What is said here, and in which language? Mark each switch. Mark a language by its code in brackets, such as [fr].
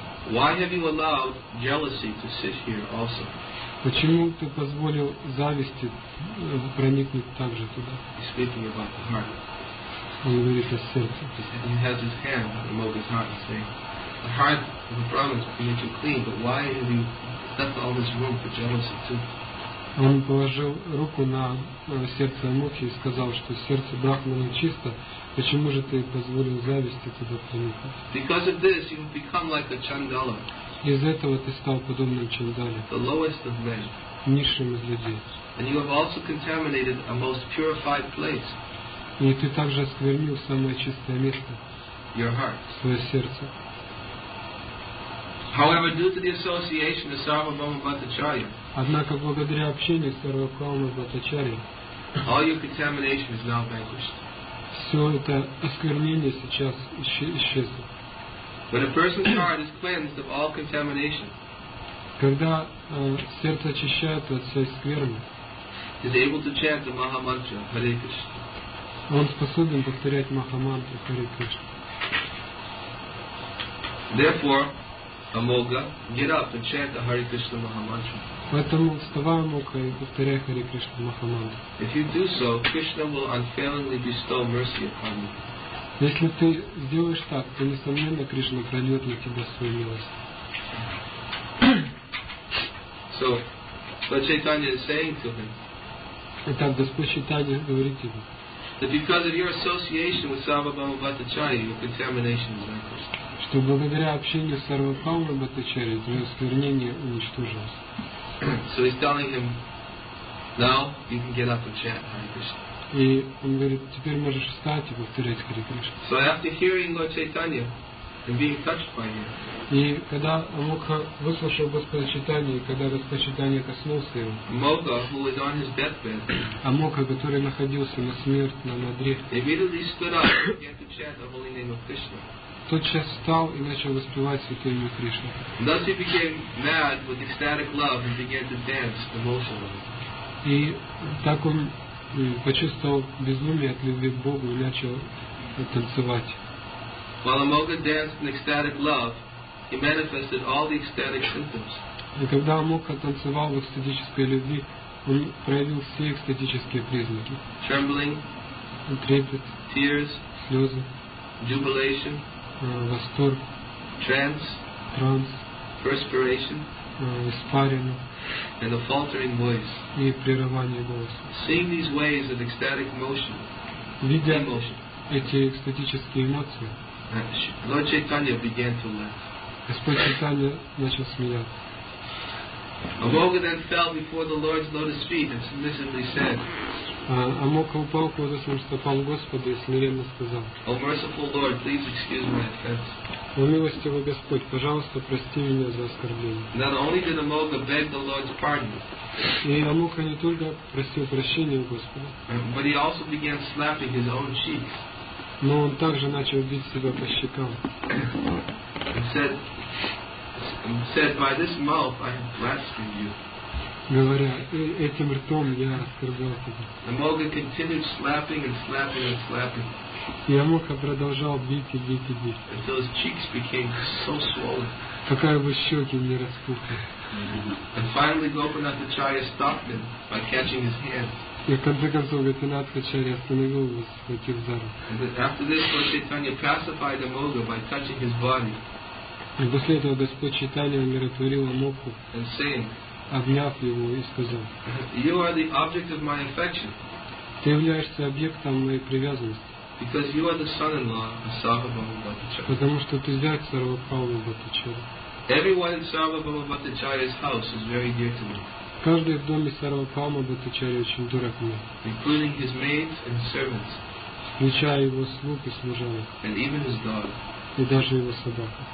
[en] Why have you allowed jealousy to sit here also? [ru] Почему ты позволил зависти проникнуть также туда? [en] He's speaking about the heart. [ru] Он говорит о сердце. [en] He has his hand on the Amoga's heart and saying, the heart of the Brahmin is being too clean, but why have you left all this room for jealousy too? [ru] Он положил руку на сердце Амохи и сказал, что сердце Брахмана чисто. Почему же ты позволил зависти туда проникнуть? [en] Because of this, you have become like a Chandala. [ru] Из-за этого ты стал подобным Чандале. [en] The lowest of men. [ru] Низшим из людей. [en] And you have also contaminated a most purified place. [ru] И ты также осквернил самое чистое место. [en] Your heart. [ru] Свое сердце. [en] However, due to the association of Sarvabhauma Bhattacharya, [ru] однако благодаря общению с Сарвабхаумой Бхаттачарьей, [en] all your contamination is now vanquished. [ru] Все это осквернение сейчас исчезло. [en] When a person's heart is cleansed of all contamination, [ru] когда сердце очищается от всей скверны, [en] is able to chant the Maha Mantra Hare Krishna. [ru] Он способен повторять Маха-мантру Харе Кришна. [en] Therefore, Amoga, get up and chant the Hare Krishna Mahamantra. [ru] Поэтому вставай, Амога, и повторяй Хари Кришна Махамантру. [en] If you do so, Krishna will unfailingly bestow mercy upon you. [ru] Если ты сделаешь так, то несомненно Кришна прольет на тебя свою милость. [en] So, Lord Chaitanya is saying to him. [ru] Итак, Господь Чайтанья говорит ему. [en] That because of your association with Sarvabhauma Bhattacharya, your contamination is vanquished. [ru] Что благодаря общению с Сарвабхаумой Бхаттачарьей твое осквернение уничтожилось. [en] So he's telling him, now you can get up and chant Hare Krishna. [ru] И он говорит, теперь можешь встать и повторять Хари Кришна. [en] So after hearing Lord Chaitanya and being touched by him. [ru] И когда Амога выслушал Господа Чайтанью, когда Господь Чайтанья коснулся его, [en] Амога, who was on his deathbed, [ru] Амога, который находился на смертном одре, [en] immediately stood up and began to chant the holy name of Krishna. [ru] Тотчас встал и начал воспевать святое имя Кришны. [en] Thus he became mad with ecstatic love and began to dance emotionally. [ru] И так он почувствовал безумие от любви к Богу и начал танцевать. [en] While Amoga danced in ecstatic love, he manifested all the ecstatic symptoms. [ru] И когда Амока танцевал в экстатической любви, он проявил все экстатические признаки. [en] Trembling, [ru] трепет, [en] tears, [ru] слезы, [en] jubilation, [ru] восторг, [en] транс, perspiration, [ru] испарина, [en] and a faltering voice. [ru] И прерывание голоса. [en] Seeing these waves of ecstatic emotion, [ru] видя [en] emotion, [ru] эти экстатические эмоции, [en] Lord Chaitanya began to laugh. [ru] Господь Чайтанья начал смеяться. [en] Amoga then fell before the Lord's lotus feet and submissively said, [ru] Амока упал к лотосным стопам Господа и смиренно сказал, [en] O merciful Lord, please excuse my offense. [ru] О милостивый Господь, пожалуйста, прости меня за оскорбление. [en] Not only did Amoga beg the Lord's pardon, [ru] и Амока не только просил прощения у Господа, [en] but he also began slapping his own cheeks. [ru] Но он также начал бить себя по щекам. [en] And said, by this mouth I have blasphemed you. [ru] Говоря, этим ртом я оскорблял тебя. [en] Amoga continued slapping and slapping and slapping. [ru] И Амока продолжал бить и бить и бить. [en] And those cheeks became so swollen. [ru] Пока его щеки не распухли. [en] And finally Gopinath Acharya stopped him by catching his hands. [ru] И в конце концов Гопинатха Ачарья остановил его, схватив за руку. И после этого Господь Чайтанья умиротворил Амоку, обняв его и сказал, [en] you are the object of my affection. [ru] Ты являешься объектом моей привязанности. [en] Because you are the son-in-law of Sarvabhauma Bhattacharya. [ru] Потому что ты зять Сарвабхаума Бхаттачарьи. [en] Everyone in Sarvabhauma Bhattacharya's house is very dear to me. [ru] Каждый в доме Сарвабхаума Бхаттачарьи очень дорог мне. [en] Including his maids and servants. [ru] Включая его слуг и служанок. [en] And even his dog. [ru] И даже его собаку.